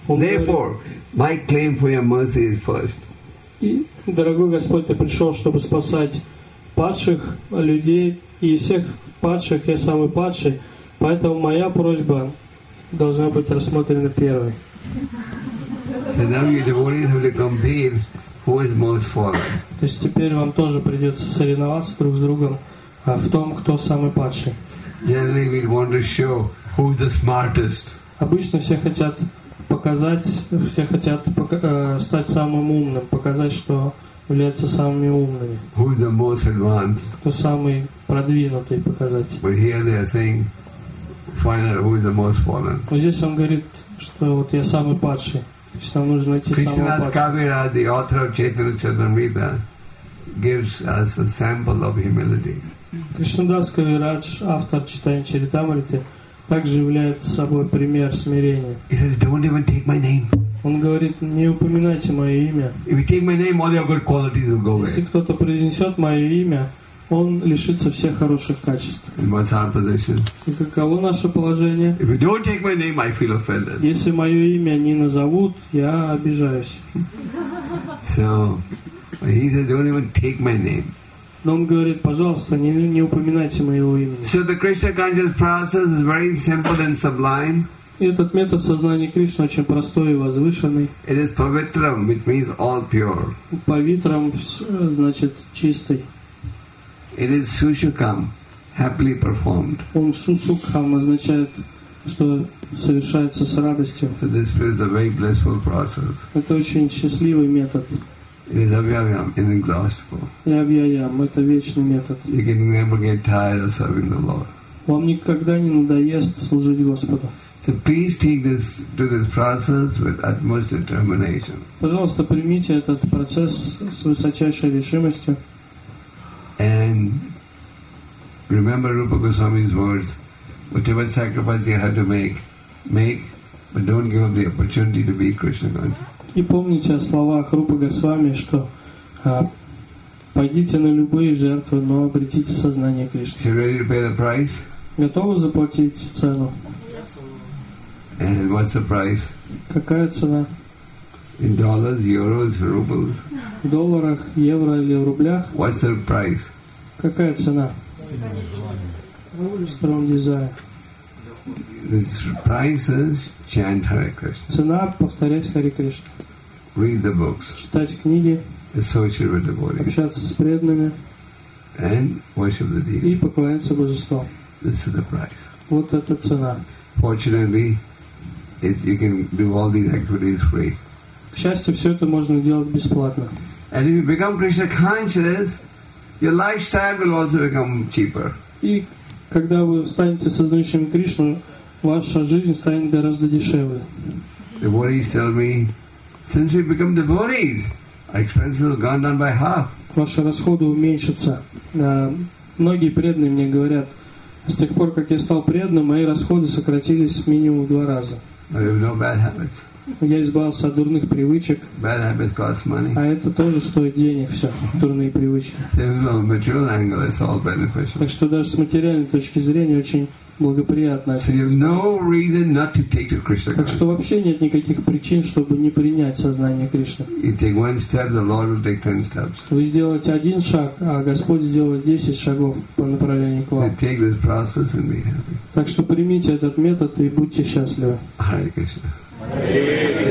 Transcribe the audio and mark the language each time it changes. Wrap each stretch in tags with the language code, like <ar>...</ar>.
<en>Therefore, my claim for your mercy is first.</en> <ru>И, дорогой Господь, ты пришел, чтобы спасать падших людей, и из всех падших я самый падший, поэтому моя просьба должна быть рассмотрена первой.</ru> <en>So now your devotees have to compete who is most fallen.</en> <ru>То есть теперь вам тоже придется соревноваться друг с другом в том, кто самый падший.</ru> <en>Generally we want to show who is the smartest.</en> <ru>Обычно все хотят показать, все хотят стать самым умным, показать, что являются самыми умными.</ru> <en>Who is the most advanced?</en> <ru>Кто самый продвинутый показать.</ru> <en>But here they are saying, find out who is the most fallen.</en> <ru>Вот здесь он говорит, что вот я самый падший. То есть нам нужно найти самого падшего.</ru> <en>Кришнадас Кавира, the author of Chaitanya Charitamrita, gives us a sample of humility.</en> <ru>Кришнадас Кавирадж, автор Чайтаньи Чаритамриты, также является собой пример смирения.</ru> <en>He says, "Don't even take my name."</en> <ru>Он говорит, не упоминайте мое имя.</ru> <en>If you take my name, all your good qualities will go away.</en> <ru>Если кто-то произнесет мое имя, он лишится всех хороших качеств.</ru> <en>And what's our position?</en> <ru>И каково наше положение?</ru> <en>If you don't take my name, I feel offended.</en> <ru>Если мое имя не назовут, я обижаюсь.</ru> <en>So, he says, "Don't even take my name."</en> <ru>Но он говорит, пожалуйста, не упоминайте моего имени.</ru> <en>So the Krishna conscious process is very simple and sublime.</en> <ru>И этот метод сознания Кришны очень простой и возвышенный.</ru> <en>It is pavitram, which means all pure.</en> <ru>Pavitram значит чистый.</ru> <en>It is sushukam, happily performed.</en> <ru>Ум сусукхам означает, что совершается с радостью.</ru> <en>So this is a very blissful process.</en> <ru>Это очень счастливый метод.</ru> <en>It is avyayam, inexhaustible.</en> <ru>Avyayam, это вечный метод.</ru> <en>You can never get tired of serving the Lord.</en> <ru>Вам никогда не надоест служить Господу.</ru> <en>So please take this to this process with utmost determination.</en> <ru>Пожалуйста, примите этот процесс с высочайшей решимостью.</ru> <en>And remember Rupa Goswami's words: whatever sacrifice you have to make, make, but don't give up the opportunity to be Krishna conscious.</en> <ru>И помните о словах Рупы Госвами, что пойдите на любые жертвы, но обретите сознание Кришны.</ru> <en>You ready to pay the price?</en> <ru>Готовы заплатить цену?</ru> <en>Yes. And what's the price?</en> <ru>Какая цена?</ru> <en>In dollars, euros, rubles.</en> <ru>В долларах, евро или в рублях?</ru> <en>What's the price?</en> <ru>Какая цена?</ru> <en>This price is chant Hare Krishna.</en> <ru>Цена повторять Хари Кришна.</ru> <en>Read the books.</en> <ru>Читать книги.</ru> <en>Associate with devotees.</en> <ru>Общаться с преданными.</ru> <en>And worship the deity.</en> <ru>И поклоняться божеству.</ru> <en>This is the price.</en> <ru>Вот эта цена.</ru> <en>Fortunately, you can do all these activities free.</en> <ru>К счастью, все это можно делать бесплатно.</ru> <en>And if you become Krishna conscious, your lifestyle will also become cheaper.</en> <ru>И когда вы станете сознающим Кришну, ваша жизнь станет гораздо дешевле.</ru> <en>Devotees tell me, since we become devotees, our expenses have gone down by half.</en> <ru>Ваши расходы уменьшатся. Многие преданные мне говорят, с тех пор, как я стал преданным, мои расходы сократились минимум в два раза.</ru> <en>I have no bad habits.</en> <ru>Я избавился от дурных привычек.</ru> <en>Bad habits cost money.</en> <ru>А это тоже стоит денег, все, дурные привычки.</ru> <en>From a material angle, it's all beneficial.</en> <ru>Так что даже с материальной точки зрения очень благоприятно.</ru> <en>So you have no reason not to take to Krishna.</en> <ru>Так что вообще нет никаких причин, чтобы не принять сознание Кришны.</ru> <en>You take one step, the Lord will take 10 steps.</en> <ru>Вы сделаете один шаг, а Господь сделает 10 шагов по направлению к вам.</ru> <en>So take this process and be happy.</en> <ru>Так что примите этот метод и будьте счастливы.</ru> <en>Hare Krishna.</en>